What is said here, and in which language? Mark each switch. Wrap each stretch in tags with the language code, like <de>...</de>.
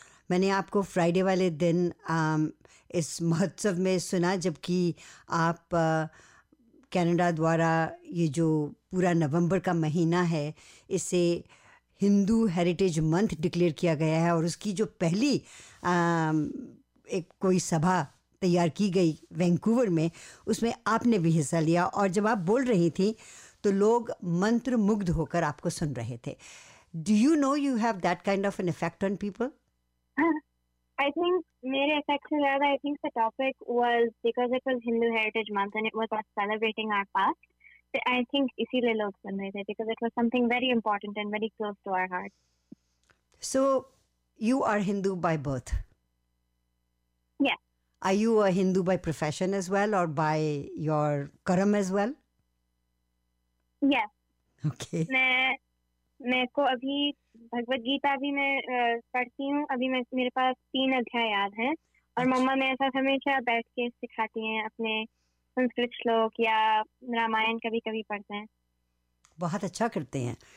<hi>मैंने आपको फ्राइडे वाले दिन इस महोत्सव में सुना, जबकि आप कनाडा द्वारा ये जो पूरा नवंबर का महीना है इसे हिंदू हेरिटेज मंथ डिक्लेयर किया गया है और उसकी जो पहली एक कोई सभा तैयार की गई वैंकूवर में, उसमें आपने भी हिस्सा लिया. और जब आप बोल रही थी तो लोग मंत्रमुग्ध होकर आपको सुन रहे थे.</hi> <en>Do you know you have that kind of an effect on people? I think</en> <hi>mere effect se zyada,</hi> <en>I think the topic was because it was Hindu Heritage Month and it was about celebrating our past. So I think</en> <hi>isliye log sun rahe the</hi> <en>because it was something very important and very close to our heart. So you are Hindu by birth? Yeah. Are you a Hindu by profession as well or by your karam as well? Yes. Okay.</en> <hi>मेको अभी भगवत गीता भी मैं पढ़ती हूँ. अभी मेरे पास 3 अध्याय याद हैं और मम्मा मेरे साथ हमेशा बैठ के सिखाती हैं, अपने संस्कृत श्लोक या रामायण कभी कभी पढ़ते हैं. बहुत अच्छा करते हैं.</hi>